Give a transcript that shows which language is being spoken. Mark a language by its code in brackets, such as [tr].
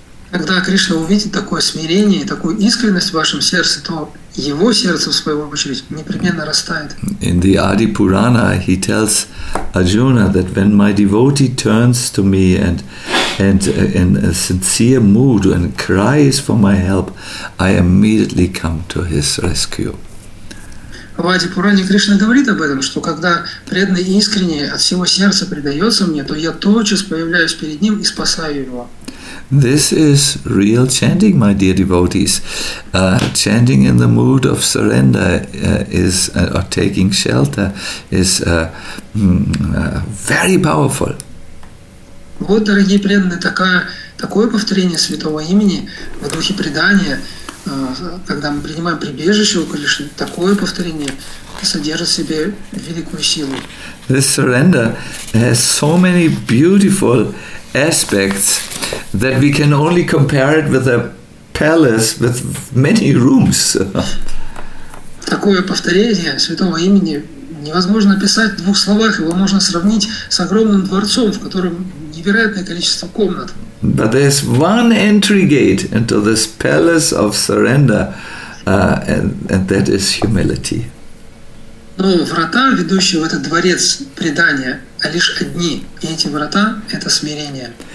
[ru] Когда Кришна увидит такое смирение и такую искренность в вашем сердце, то его сердце, в свою очередь, непременно растает. [en] In the Adi Purana he tells Arjuna that when my devotee turns to me and in a sincere mood and cries for my help, I immediately come to his rescue. [ru] В Адди Пуране Кришна говорит об этом, что когда преданный искренне от всего сердца предается мне, то я тотчас появляюсь перед ним и спасаю его. [en] This is real chanting, my dear devotees. Chanting in the mood of surrender is, or taking shelter, is very powerful. [ru] Вот, дорогие преданные, такое повторение Святого Имени в духе предания, когда мы принимаем прибежище у Кришны, такое повторение содержит в себе великую силу. [en] This surrender has so many beautiful aspects that we can only compare it with a palace with many rooms. [ru] Такое повторение Святого Имени невозможно описать в двух словах. Его можно сравнить с огромным дворцом, в котором невероятное количество комнат. [en] But there's one entry gate into this palace of surrender, and that is humility. [ru] Но врата, ведущие в этот дворец предания, а лишь одни, и эти врата – это смирение.